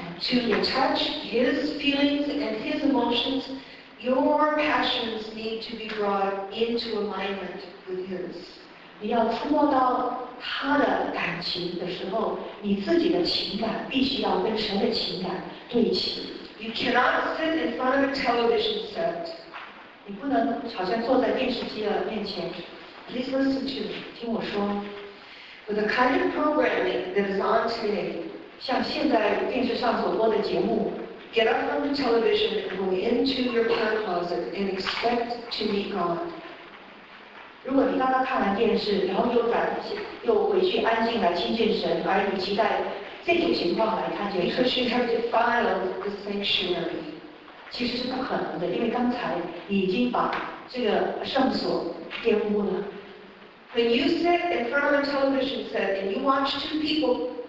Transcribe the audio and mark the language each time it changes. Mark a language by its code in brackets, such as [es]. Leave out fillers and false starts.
[en] To touch his feelings and his emotions, your passions need to be brought into alignment with his. [zh] 你要触摸到他的感情的时候，你自己的情感必须要跟神的情感对齐。 [en] You cannot sit in front of a television set. [zh] 你不能好像坐在电视机的面前。 [en] Please listen to me. [zh] 听我说。 [en] With the kind of programming that is on today. [zh] 像现在电视上所播的节目 [en] ，Get up from the television and go into your prayer closet and expect to meet God。 [zh] 如果你刚刚看完电视，然后又回去安静来亲近神，而你期待这种情况来看见神 [en] ，Because you have defiled the sanctuary， [zh] 其实是不可能的，因为刚才你已经把这个圣所玷污了。 [en] When you sit in front of a television set and you watch two people。